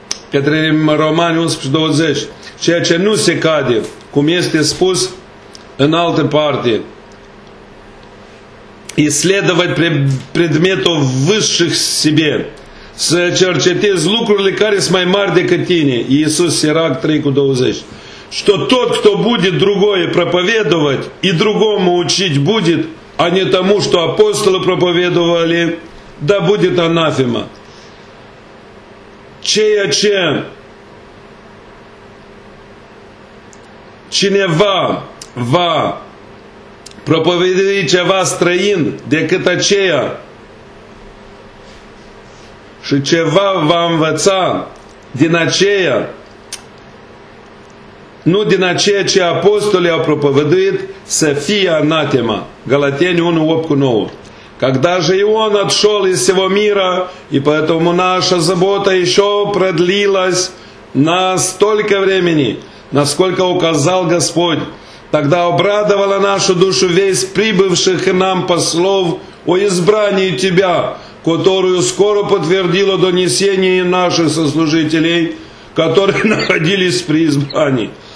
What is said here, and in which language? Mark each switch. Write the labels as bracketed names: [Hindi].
[Romanian] Către Romani 11:20, ceea ce nu se cade, cum este spus în altă parte, [Russian] исследовать предметов высших себе, [Romanian] să cercetezi lucrurile care sunt mai mari decât tine. [Russian] Иисус Сирак 3:20. Что тот, кто будет другое проповедовать и другому учить будет, а не тому, что апостолы проповедовали, да будет анафема. [Romanian] Ceea ce cineva va propovedui ceva străin decât aceea și ceva va învăța din aceea, nu din aceea ce apostolii au propovăduit, să fie anatema. Галатени 1:8-9. [Russian] Когда же и он отшел из всего мира, и поэтому наша забота еще продлилась на столько времени, насколько указал Господь, тогда обрадовала нашу душу весть прибывших к нам послов о избрании Тебя, которую скоро подтвердило донесение наших сослужителей, которые находились при избрании.